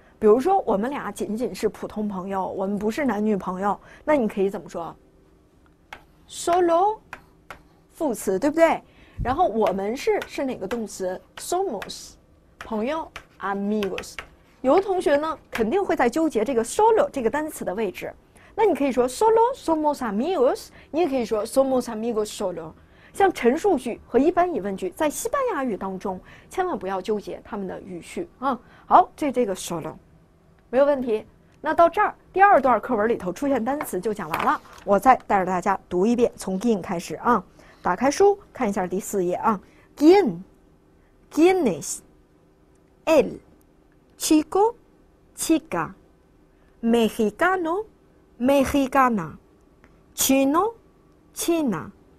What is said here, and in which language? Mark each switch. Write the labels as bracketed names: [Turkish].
[Chinese] 比如说，我们俩仅仅是普通朋友，我们不是男女朋友，那你可以怎么说 ？Solo， 副词，对不对？然后我们是哪个动词 ？Somos， 朋友 ，amigos。有的同学呢，肯定会在纠结这个 solo 这个单词的位置。那你可以说 [Spanish] solo somos amigos， [Chinese] 你也可以说 [Spanish] somos amigos solo。 [Chinese] 像陈述句和一般疑问句，在西班牙语当中，千万不要纠结他们的语序啊。好，这个 solo， 没有问题。那到这儿，第二段课文里头出现单词就讲完了。我再带着大家读一遍，从 gin 开始啊。打开书看一下第四页啊 ，gin， Guinness， el， chico， chica， mexicano， mexicana， chino， china。